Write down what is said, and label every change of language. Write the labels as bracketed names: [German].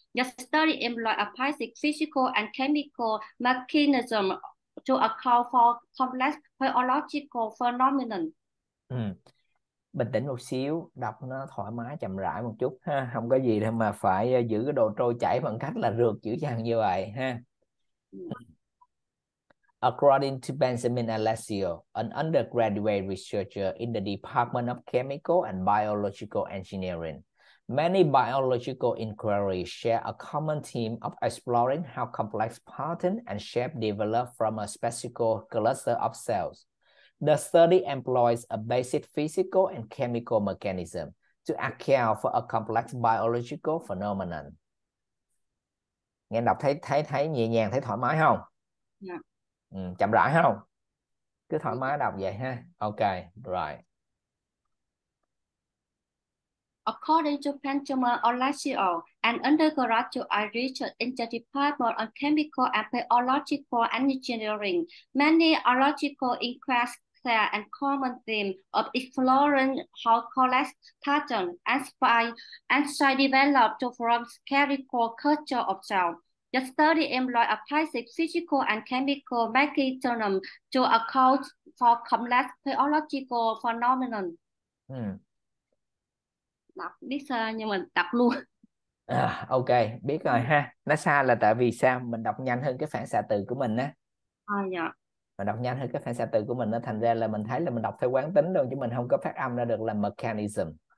[English] The study employs a basic physical and chemical mechanism to account for complex biological phenomena. [Vietnamese] Bình tĩnh một xíu, đọc nó thoải mái chậm rãi một chút ha, không có gì đâu mà phải giữ cái đồ trôi chảy bằng cách là rượt chữ dằn như vậy ha. [English] According to Benjamin Alessio, an undergraduate researcher in the Department of Chemical and Biological Engineering, Many biological inquiries share a common theme of exploring how complex patterns and shapes develop from a specific cluster of cells. The study employs a basic physical and chemical mechanism to account for a complex biological phenomenon. [Vietnamese] Nghe đọc thấy thấy thấy nhẹ nhàng, thấy thoải mái không? [English] Yeah. [Vietnamese] Ừ, chậm rãi không? Cứ thoải mái đọc vậy ha. [English] Ok, right. According to Benjamin Olasio, an undergraduate research in the Department of Chemical and Biological Engineering, many biological inquiries share a common theme of exploring how complex patterns and spines develop to form spherical cultures of cells. The study employs a basic physical and chemical mechanism to account for complex biological phenomena. [Vietnamese] Đọc biết sao nhưng mà đọc luôn. À, ok, biết rồi ha. Nó xa là tại vì sao? Mình đọc nhanh hơn cái phản xạ từ của mình á. À dạ. Mình đọc nhanh hơn cái phản xạ từ của mình á. Thành ra là mình thấy là mình đọc theo quán tính luôn. Chứ mình không có phát âm ra được là mechanism.